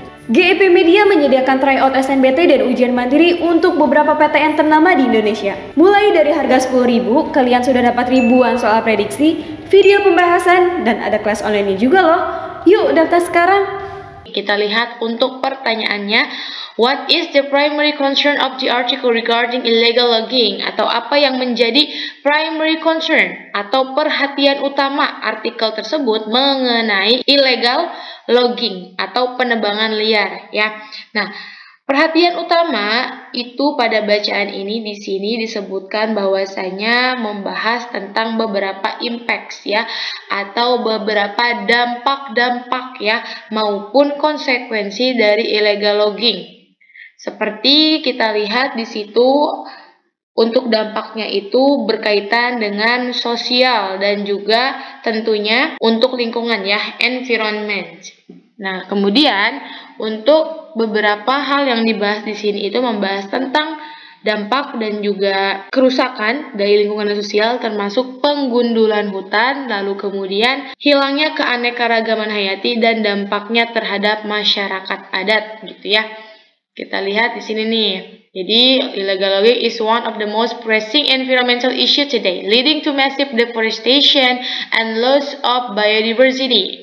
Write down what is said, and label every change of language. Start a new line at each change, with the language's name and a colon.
Indonesian: GEP Media menyediakan tryout SNBT dan ujian mandiri untuk beberapa PTN ternama di Indonesia. Mulai dari harga Rp10.000, kalian sudah dapat ribuan soal prediksi, video pembahasan, dan ada kelas online-nya juga loh. Yuk, daftar sekarang! Kita lihat untuk pertanyaannya.
English: What is the primary concern of the article regarding illegal logging?
Indonesian: Atau apa yang menjadi
English: primary concern
Indonesian: atau perhatian utama artikel tersebut mengenai illegal logging atau penebangan liar, ya. Nah, perhatian utama itu pada bacaan ini di sini disebutkan bahwasanya membahas tentang beberapa impacts, ya, atau beberapa dampak-dampak, ya, maupun konsekuensi dari illegal logging. Seperti kita lihat di situ, untuk dampaknya itu berkaitan dengan sosial dan juga tentunya untuk lingkungan, ya, environment. Nah, kemudian untuk beberapa hal yang dibahas di sini itu membahas tentang dampak dan juga kerusakan dari lingkungan sosial, termasuk penggundulan hutan, lalu kemudian hilangnya keanekaragaman hayati dan dampaknya terhadap masyarakat adat, gitu ya. Kita lihat di sini nih. Jadi,
English: illegal logging is one of the most pressing environmental issue today, leading to massive deforestation and loss of biodiversity.